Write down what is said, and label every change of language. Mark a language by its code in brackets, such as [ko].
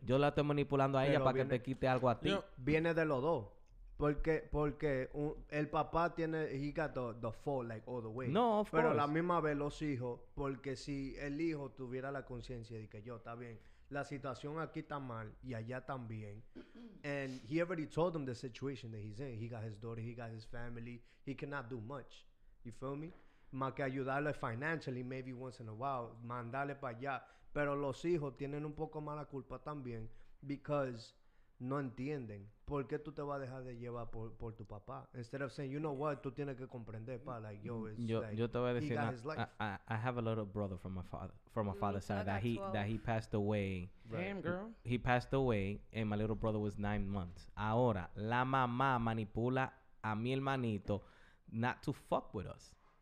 [es] Yo la estoy manipulando a ella para que te quite algo a ti. Viene de los dos. Porque el papá tiene, [en] he got the fault, like, all the way. No, of course. [es] Pero la misma vez los hijos, porque si el hijo tuviera la conciencia de que yo, está bien, la situación aquí está mal y allá también. [en] And he already told them the situation that he's in. He got his daughter, he got his family. He cannot do much. You feel me? [es] Más que ayudarle [en] financially, maybe once in a while, [es] mandarle para allá. Pero los hijos tienen un poco más la culpa también [en] because [es] no entienden. ¿Por qué tú te vas a dejar de llevar por tu papá? [en] Instead of saying, you know what, [es] tú tienes que comprender, pa, [en] like, yo, it's yo, like, [es] yo te voy a decir, [en] I have a little brother from my father, from my father's side, that 12. he passed away. Right. Damn, girl. He passed away, and my little brother was 9 months. [es] Ahora, la mamá manipula a mi hermanito [en] not to fuck with us.